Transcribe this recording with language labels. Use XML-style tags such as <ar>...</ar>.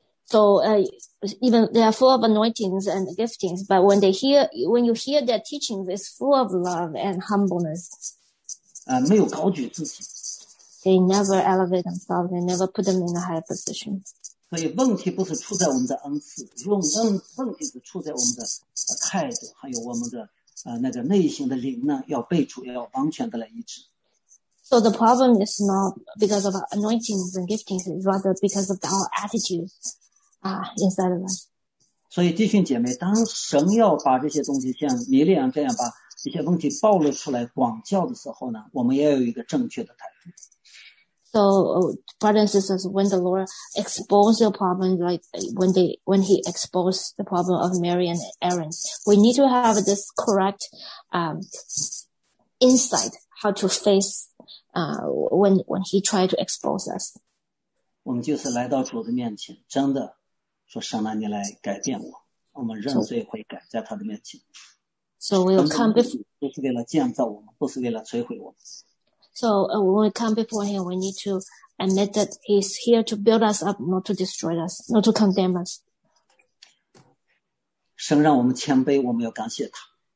<en>So even they are full of anointings and giftings, but when you hear their teachings, it's full of love and humbleness.</en> <zh>没有高举自己。</zh> <en>They never elevate themselves. They never put them in a high position.</en> <zh>所以问题不是出在我们的恩赐，问题是出在我们的态度，还有我们的那个内心的灵呢，要被主要完全的来医治。</zh> <en>So the problem is not because of anointings and giftings, it's rather because of our attitude. Inside of us.</en> <zh>所以弟兄姐妹，当神要把这些东西像米利安这样把一些问题暴露出来广教的时候呢，我们也要有一个正确的态度。</zh> <en>So, brothers and sisters, when the Lord exposes the problem, like when he exposes the problem of Mary and Aaron, we need to have this correct, insight how to face, when he tried to expose us.</en> <zh>我们就是来到主的面前，真的说神啊，你来改变我，我们认罪悔改，在他的面前。</zh> <en>So we'll come before.</en> <zh>不是为了建造我们，不是为了摧毁我们。</zh> <en>So when we come before him, we need to admit that he's here to build us up, not to destroy us, not to condemn us.</en> <zh>神让我们谦卑，我们要感谢他。</zh>